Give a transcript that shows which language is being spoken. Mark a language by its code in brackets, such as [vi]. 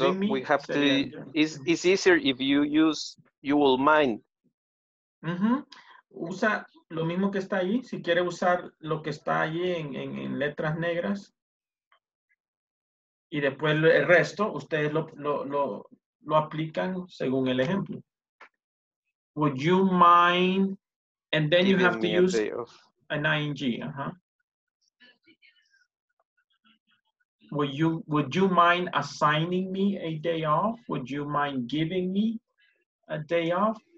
[en] It's easier if you use you will mind. [es] Mm-hmm. Usa lo mismo que está ahí. Si quiere usar lo que está ahí en letras negras. Y después el resto, ustedes lo aplican según el ejemplo. [en] Would you mind? And then you have to use an ing. Uh-huh. Would you mind assigning me a day off? Would you mind giving me a day off?